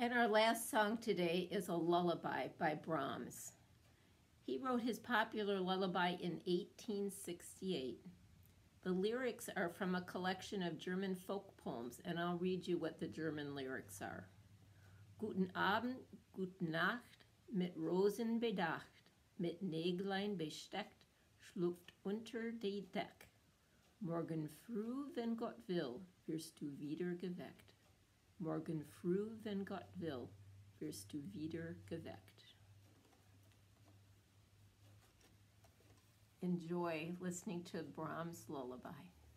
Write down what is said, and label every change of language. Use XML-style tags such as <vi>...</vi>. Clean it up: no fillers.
<en>Last song today is a lullaby by Brahms. He wrote his popular lullaby in 1868. The lyrics are from a collection of German folk poems, and I'll read you what the German lyrics are.</en> <de>Guten Abend, gute Nacht, mit Rosen bedacht, mit Näglein besteckt, schlupft unter die Deck. Morgen früh, wenn Gott will, wirst du wieder geweckt. Morgen früh, wenn Gott will, wirst du wieder geweckt.</de> <en>Enjoy listening to Brahms' lullaby.</en>